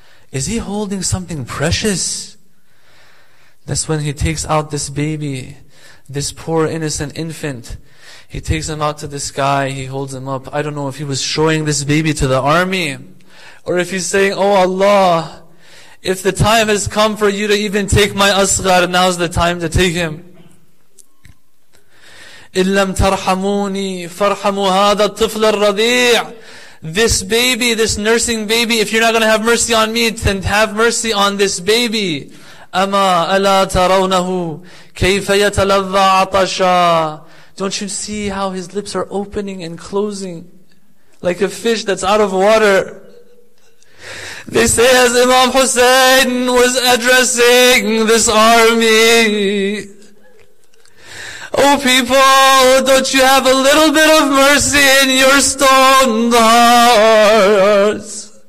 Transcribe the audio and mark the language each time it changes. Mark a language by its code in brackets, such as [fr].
[en] Is he holding something precious? That's when he takes out this baby, this poor innocent infant. He takes him out to the sky, he holds him up. I don't know if he was showing this baby to the army, or if he's saying, oh Allah, if the time has come for you to even take my Asghar, now's the time to take him. [ar] إن لم ترحموني فارحموا هذا الطفل الرضيع. [en] This baby, this nursing baby, if you're not going to have mercy on me, then have mercy on this baby. [ar] أما ألا ترونه كيف يتلظى عطشا. [en] Don't you see how his lips are opening and closing like a fish that's out of water? They say as Imam Hussein was addressing this army, oh people, don't you have a little bit of mercy in your stone hearts?